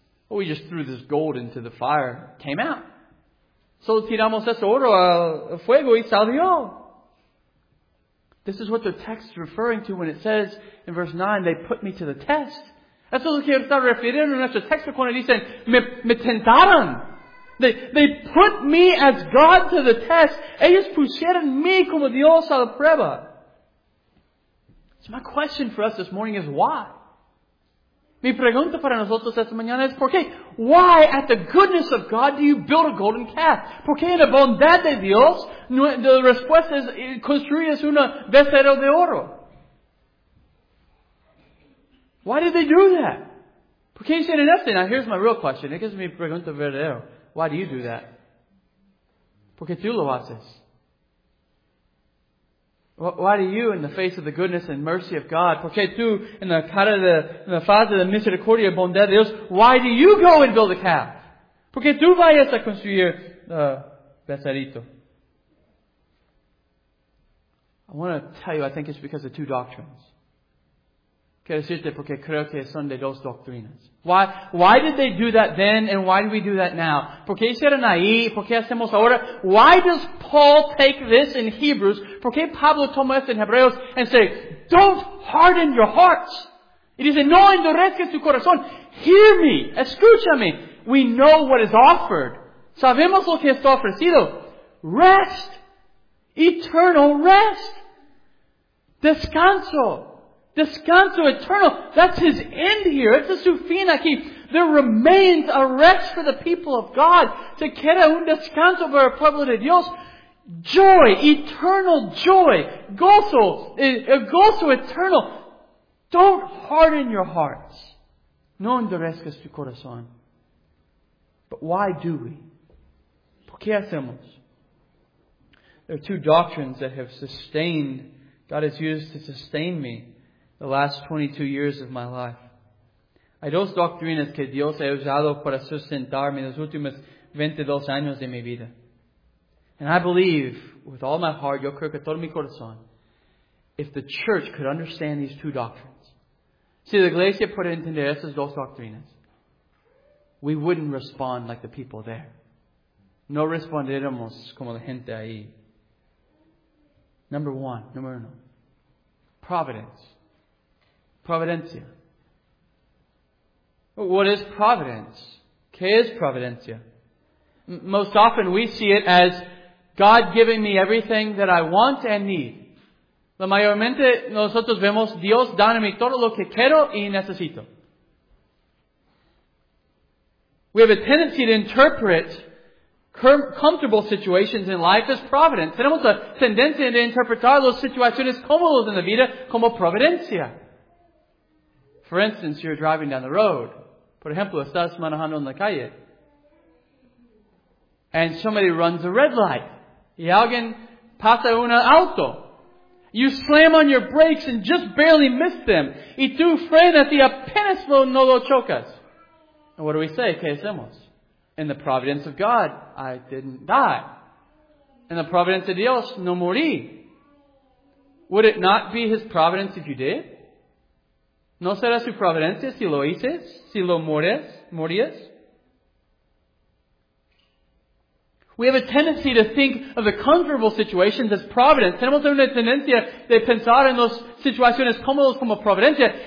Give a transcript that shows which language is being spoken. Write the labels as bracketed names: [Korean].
[English] Well, we just threw this gold into the fire. It came out. [Spanish] Solo tiramos ese oro al fuego y salió. [English] This is what the text is referring to when it says in verse 9, they put me to the test. [Spanish] Eso es lo que está refiriendo en nuestro texto cuando dicen, me tentaron. [English] They put me as God to the test. [Spanish] Ellos pusieron me como Dios a la prueba. [English] So my question for us this morning is why? [Spanish] Mi pregunta para nosotros esta mañana es, ¿por qué? [English] Why, at the goodness of God, do you build a golden calf? [Spanish] ¿Por qué en la bondad de Dios, la respuesta es, construyes una becerro de oro? [English] Why did they do that? [Spanish] ¿Por qué hicieron esto? [English] Now, here's my real question. [Spanish] Es mi pregunta verdadera. [English] Why do you do that? [Spanish] ¿Por qué tú lo haces? [English] Why do you, in the face of the goodness and mercy of God, [Spanish] ¿por qué tú, en la cara de, en la faz de la misericordia y bondad de Dios, [English] why do you go and build a calf? [Spanish] ¿Por qué tú vayas a construir becerrito? [English] I want to tell you, I think it's because of two doctrines. [Spanish] Quiero decirte, porque creo que son de dos doctrinas. [English] Why did they do that then, and why do we do that now? [Spanish] ¿Por qué hicieron ahí? ¿Por qué hacemos ahora? [English] Why does Paul take this in Hebrews? [Spanish] ¿Por qué Pablo toma esto en Hebreos? [English] And say, don't harden your hearts. [Spanish] Y dice, no endurezcas tu corazón. [English] Hear me. [Spanish] Escúchame. [English] We know what is offered. [Spanish] Sabemos lo que está ofrecido. [English] Rest. Eternal rest. [Spanish] Descanso. Descanso eternal. [English] That's his end here. It's a [Spanish] su fin aquí. [English] There remains a rest for the people of God. [Spanish] Se queda un descanso para el pueblo de Dios. [English] Joy, eternal joy. [Spanish] Gozo, gozo eternal. [English] Don't harden your hearts. [Spanish] No endurezcas tu corazón. [English] But why do we? [Spanish] ¿Por qué hacemos? [English] There are two doctrines that have sustained, God has used to sustain me. The last 22 years of my life. [Spanish] Hay dos doctrinas que Dios ha usado para sustentarme en los últimos 22 años de mi vida. [English] And I believe, with all my heart, [Spanish] yo creo que todo mi corazón, [English] if the church could understand these two doctrines, [Spanish] si la iglesia puede entender esas dos doctrinas, [English] we wouldn't respond like the people there. [Spanish] No responderemos como la gente ahí. Number uno. Providence. Providencia. [English] What is providence? [Spanish] ¿Qué es providencia? [English] Most often we see it as God giving me everything that I want and need. [Spanish] La mayormente nosotros vemos Dios dándome todo lo que quiero y necesito. [English] We have a tendency to interpret comfortable situations in life as providence. [Spanish] Tenemos la tendencia de interpretar las situaciones cómodas en la vida como providencia. [English] For instance, you're driving down the road. [Spanish] Por ejemplo, estás manejando en la calle. [English] And somebody runs a red light. [Spanish] Y alguien pasa un auto. [English] You slam on your brakes and just barely miss them. [Spanish] Y tu frena y apenas no lo chocas. [English] And what do we say? [Spanish] ¿Qué hacemos? [English] In the providence of God, I didn't die. In the providence of Dios, [Spanish] no morí. [English] Would it not be His providence if you did? [Spanish] ¿No será su providencia si lo hices? ¿Si lo morías? [English] We have a tendency to think of the comfortable situations as providence. [Spanish] Tenemos una tendencia de pensar en las situaciones cómodas como providencia.